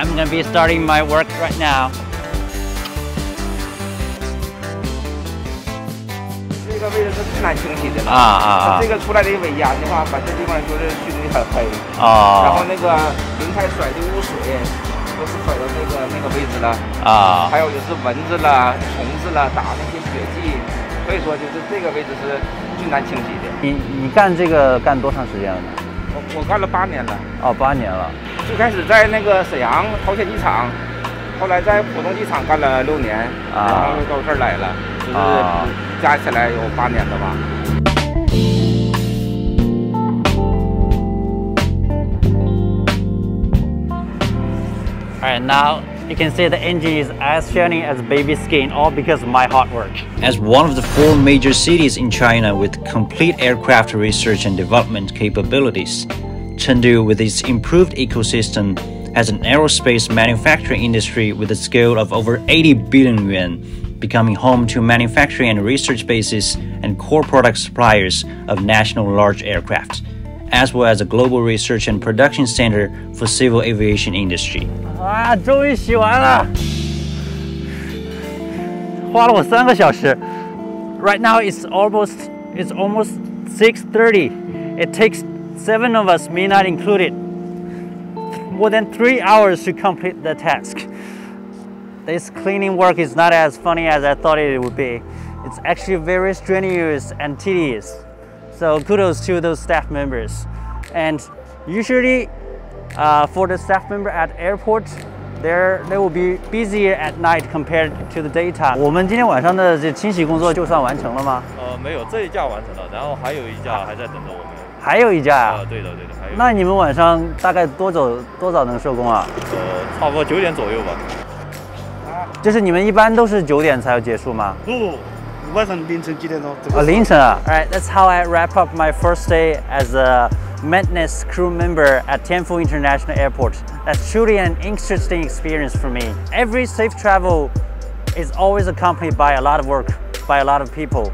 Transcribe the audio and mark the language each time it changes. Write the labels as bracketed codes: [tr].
[en] be starting my work right now. [zh] 这个位置是最难清洗的啊，这个出来的尾压的话，把这地方就是距离很黑啊，然后那个轮胎甩的污水都是甩到那个位置了啊，还有就是蚊子啦、虫子啦打那些血迹，所以说就是这个位置是最难清洗的。你干这个干多长时间了呢？我干了8年了。哦，八年了。最开始在那个沈阳桃仙机场，后来在浦东机场干了6年，啊，然后到这儿来了，就是。啊，加起来有8年了吧。 [en] All right, now you can see the engine is as shiny as baby skin, all because of my hard work. As one of the 4 major cities in China with complete aircraft research and development capabilities, Chengdu, with its improved ecosystem, has an aerospace manufacturing industry with a scale of over 80 billion yuan. Becoming home to manufacturing and research bases and core product suppliers of national large aircraft, as well as a global research and production center for civil aviation industry. [zh] 啊，终于洗完了，花了我3个小时。 [en] Right now it's almost 6:30. It takes 7 of us, me not included, more than 3 hours to complete the task. This cleaning work is not as funny as I thought it would be. It's actually very strenuous and tedious. So kudos to those staff members. And usually, for the staff member at airport, they will be busier at night compared to the daytime. [zh] 我们今天晚上的这清洗工作就算完成了吗？没有，这一架完成了，然后还有一架还在等着我们。还有一架啊？对的，还有。那你们晚上大概多早能收工啊？差不多9点左右吧。就是你们一般都是9点才要结束吗？不，晚上凌晨几点钟？凌晨啊。 [en] Alright, that's how I wrap up my first day as a maintenance crew member at Tianfu International Airport. That's truly an interesting experience for me. Every safe travel is always accompanied by a lot of work by a lot of people.